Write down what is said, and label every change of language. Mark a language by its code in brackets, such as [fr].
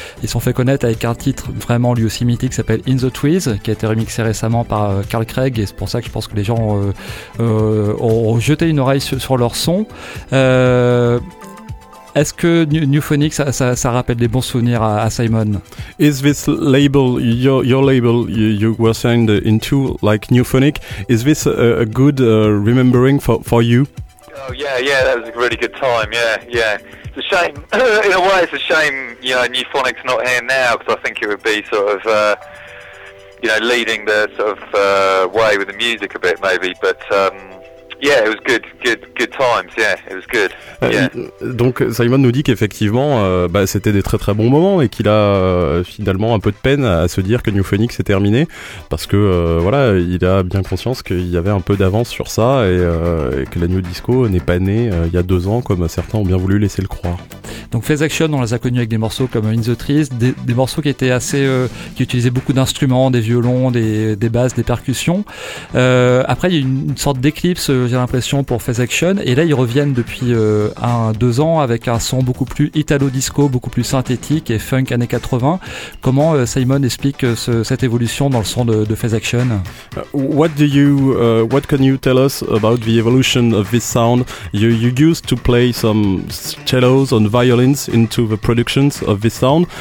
[fr] Ils sont fait connaître avec un titre vraiment lui aussi mythique qui s'appelle In the Trees, qui a été remixé récemment par Carl Craig, et c'est pour ça que je pense que les gens ont jeté une oreille sur leur son. Est-ce que Newphonic, ça rappelle des bons souvenirs à Simon? [en] Is this label, your label, you were signed into, like Newphonic, is this a good remembering for you? Oh yeah, that was a really good time, yeah. It's a shame, in a way it's a shame, you know, Newphonic's not here now, because I think it would be sort of, you know, leading the sort of way with the music a bit maybe, but... Yeah, it was good times. Yeah, it was good. [fr] Donc Simon nous dit qu'effectivement, c'était des très très bons moments et qu'il a finalement un peu de peine à se dire que Newphonic s'est terminé, parce que voilà, il a bien conscience qu'il y avait un peu d'avance sur ça et que la New Disco n'est pas née il y a deux ans comme certains ont bien voulu laisser le croire. Donc Phase Action, on les a connus avec des morceaux comme In the Trees, des morceaux qui étaient assez, qui utilisaient beaucoup d'instruments, des violons, des basses, des percussions. Après, il y a eu une sorte d'éclipse, j'ai l'impression, pour Phase Action, et là ils reviennent depuis deux ans avec un son beaucoup plus italo-disco, beaucoup plus synthétique et funk années 80. Comment Simon explique cette évolution dans le son de Phase Action? [en] What can you tell us about the evolution of this sound? You used to play some cellos and violins into the productions of this sound.